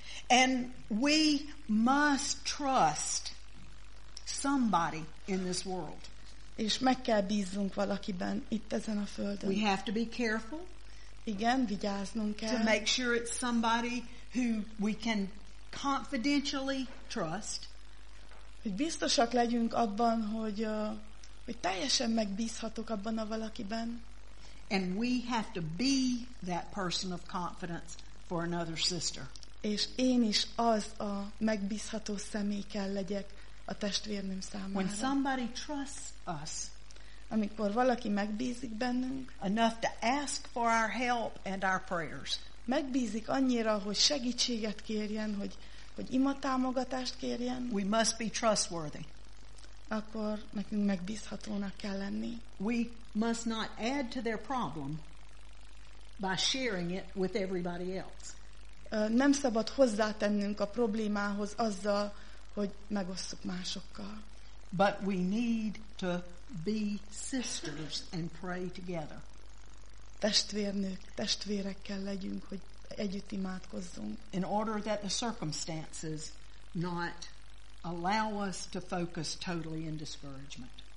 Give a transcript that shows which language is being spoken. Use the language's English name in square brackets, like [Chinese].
[English] And we must trust somebody in this world. [Hungarian] És meg kell bíznunk valakiben itt ezen a földön. [English] We have to be careful. [Hungarian] Igen, vigyáznunk kell. [English] To make sure it's somebody who we can confidentially trust. [Hungarian] Hogy biztosak legyünk abban, hogy hogy teljesen megbízhatok abban a valakiben. [English] And we have to be that person of confidence for another sister. [Hungarian] És én is az a megbízható személy kell legyek a testvérnőm számára. [English] When somebody trusts us, [Hungarian] amikor valaki megbízik bennünk, [English] enough to ask for our help and our prayers. [Hungarian] Megbízik annyira, hogy segítséget kérjen, hogy ima támogatást kérjen. [English] We must be trustworthy. [Hungarian] Akkor nekünk megbízhatónak kell lenni. [English] We must not add to their problem by sharing it with everybody else. [Hungarian] Nem szabad hozzátennünk a problémához azzal, hogy megosszuk másokkal. [English] But we need to be sisters and pray together. [Hungarian] Testvérnők, testvérekkel legyünk, hogy együtt imádkozzunk. [English] In order that the circumstances not allow us to focus totally in discouragement.